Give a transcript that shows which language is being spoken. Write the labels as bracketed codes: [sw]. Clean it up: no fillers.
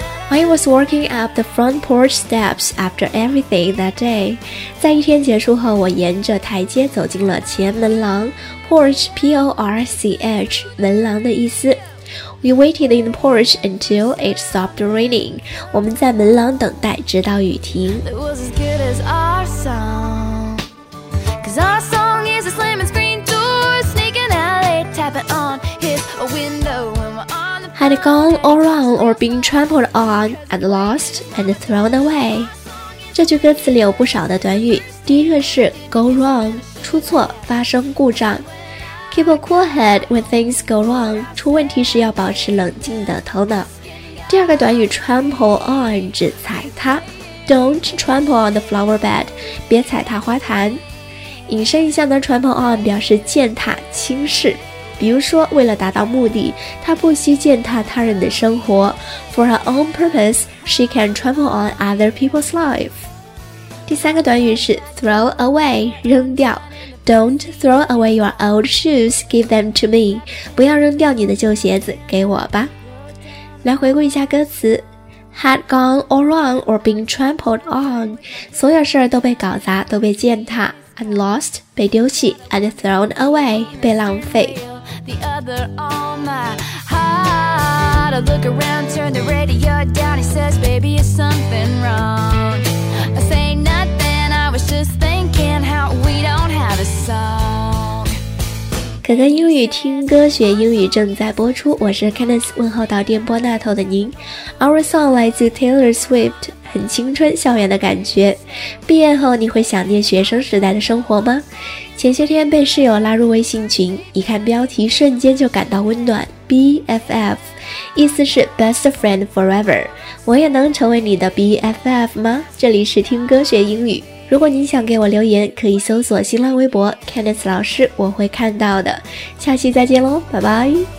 [en] I was walking up the front porch steps after everything that day. [zh] 在一天结束后，我沿着台阶走进了前门廊。 [en] Porch, P-O-R-C-H, [zh] 门廊的意思。 [en] We waited in the porch until it stopped raining. [zh] 我们在门廊等待，直到雨停。 [en] It was as good as our song. 'Cause our song is a slamming screen door, sneaking out late, tapping on his window. Had gone all wrong or been trampled on and lost and thrown away. [zh] 这句歌词里有不少的短语。第一个是 [en] go wrong, [zh] 出错，发生故障。 [en] Keep a cool head when things go wrong, [zh] 出问题时要保持冷静的头脑。第二个短语 [en] trample on [zh] 指踩踏。 [en] Don't trample on the flower bed, [zh] 别踩踏花坛。引申一下呢 [en] trample on [zh] 表示践踏、轻视。比如说为了达到目的，她不惜践踏他人的生活。 [en] For her own purpose, she can trample on other people's life. [zh] 第三个短语是 [en] throw away, [zh] 扔掉。 [en] Don't throw away your old shoes, give them to me. [zh] 不要扔掉你的旧鞋子，给我吧。来回顾一下歌词。 [en] Had gone all wrong or been trampled on. [zh] 所有事都被搞砸，都被践踏。 [en] And lost, [zh] 被丢弃。 [en] And thrown away, [zh] 被浪费。 [en] The other on my heart. I look around, turn the radio down. He says, baby, is something wrong? I say nothing. I was just thinking how we don't have a song. [zh] 可可英语听歌学英语正在播出，我是 Candice， 问候到电波那头的您。 Our song 来自 Taylor Swift， 很青春校园的感觉。毕业后你会想念学生时代的生活吗？前些天被室友拉入微信群，一看标题瞬间就感到温暖。 [en] BFF [zh] 意思是 [en] Best Friend Forever。 [zh] 我也能成为你的 BFF 吗？这里是听歌学英语，如果你想给我留言，可以搜索新浪微博 Candice 老师，我会看到的。下期再见咯，拜拜。